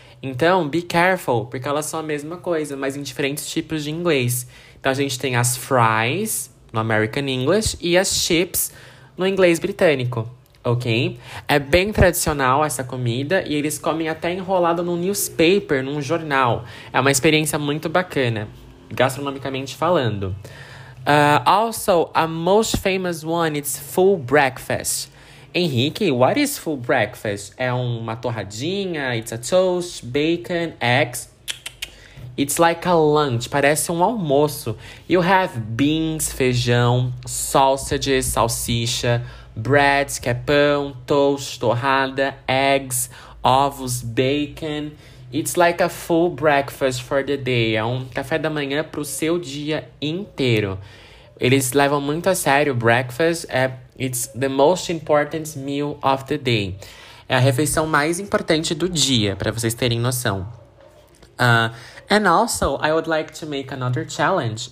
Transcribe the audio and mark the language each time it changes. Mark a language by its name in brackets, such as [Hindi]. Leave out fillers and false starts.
[Portuguese] Então, [English] be careful, [Portuguese] porque elas são a mesma coisa, mas em diferentes tipos de inglês. Então, a gente tem as fries no American English e as chips no inglês britânico, ok? É bem tradicional essa comida e eles comem até enrolado num newspaper, num jornal. É uma experiência muito bacana, gastronomicamente falando. [English] Also, a most famous one, it's full breakfast. Henrique, what is full breakfast? [Portuguese] É uma torradinha, [English] it's a toast, bacon, eggs. It's like a lunch, parece um almoço. You have beans, feijão, sausages, salsicha, bread, que é pão, toast, torrada, eggs, ovos, bacon. It's like a full breakfast for the day. [Portuguese] É um café da manhã pro seu dia inteiro. Eles levam muito a sério breakfast. [English] It's the most important meal of the day. [Portuguese] É a refeição mais importante do dia, pra vocês terem noção. [English] And also, I would like to make another challenge.